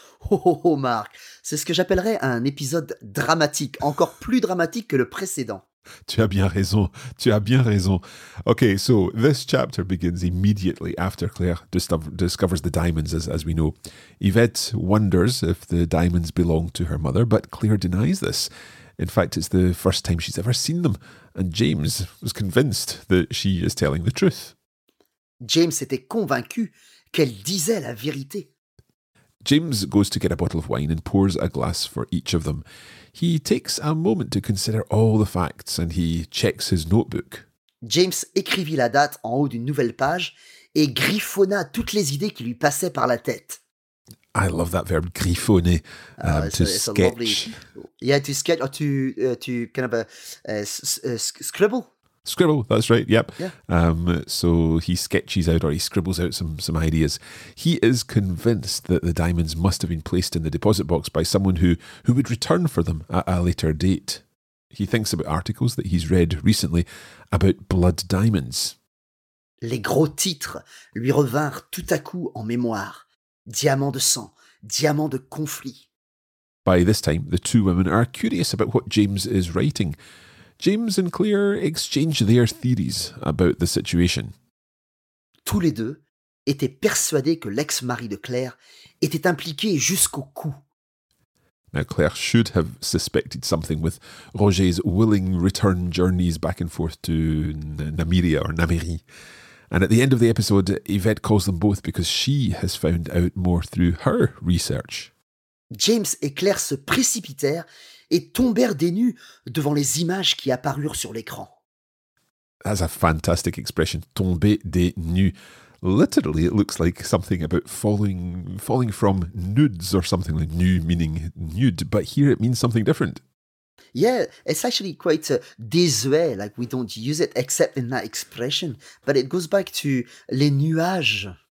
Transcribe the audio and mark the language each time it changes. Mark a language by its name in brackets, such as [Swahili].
[French] Oh, oh, oh, Marc, c'est ce que j'appellerais un épisode dramatique, encore plus dramatique que le précédent. Tu as bien raison, tu as bien raison. [English] Okay, so this chapter begins immediately after Claire discovers the diamonds, as we know. Yvette wonders if the diamonds belong to her mother, but Claire denies this. In fact, it's the first time she's ever seen them, and James was convinced that she is telling the truth. [French] James était convaincu qu'elle disait la vérité. [English] James goes to get a bottle of wine and pours a glass for each of them. He takes a moment to consider all the facts and he checks his notebook. [French] James écrivit la date en haut d'une nouvelle page et griffonna toutes les idées qui lui passaient par la tête. [English] I love that verb, griffonner, to sketch. Lovely. Yeah, to sketch or to kind of scribble. Scribble, that's right, yep. Yeah. So he sketches out or he scribbles out some ideas. He is convinced that the diamonds must have been placed in the deposit box by someone who would return for them at a later date. He thinks about articles that he's read recently about blood diamonds. [French] Les gros titres lui revinrent tout à coup en mémoire. Diamant de sang, diamant de conflit. [English] By this time, the two women are curious about what James is writing. James and Claire exchange their theories about the situation. [French] Tous les deux étaient persuadés que l'ex-mari de Claire était impliqué jusqu'au cou. [English] Now Claire should have suspected something with Roger's willing return journeys back and forth to Namiria or Namiri. And at the end of the episode, Yvette calls them both because she has found out more through her research. [French] James et Claire se précipitèrent et tombèrent des nues devant les images qui apparurent sur l'écran. [English] That's a fantastic expression, [French] tomber des nues. [English] Literally, it looks like something about falling from nudes or something like nu meaning nude, but here it means something different. Yeah, it's actually quite désuet, like we don't use it except in that expression, but it goes back to [French] les nuages.